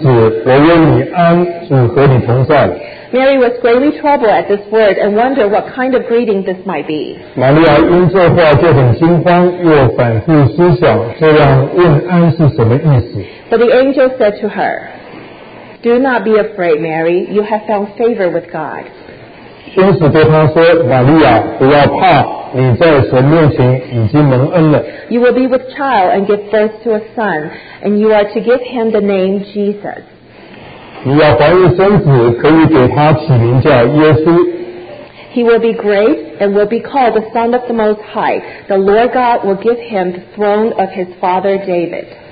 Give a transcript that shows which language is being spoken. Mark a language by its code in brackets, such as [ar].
[en] 28. 1. Mary was greatly troubled at this word and wondered what kind of greeting this might be. But the angel said to her, "Do not be afraid, Mary. You have found favor with God." [zh] 天使对他说，玛利亚，不要怕，你在神面前已经蒙恩了。 [en] You will be with child and give birth to a son, and you are to give him the name Jesus. [zh] 你要怀孕生子，可以给他起名叫耶稣。 [en] He will be great and will be called the Son of the Most High. The Lord God will give him the throne of his father David.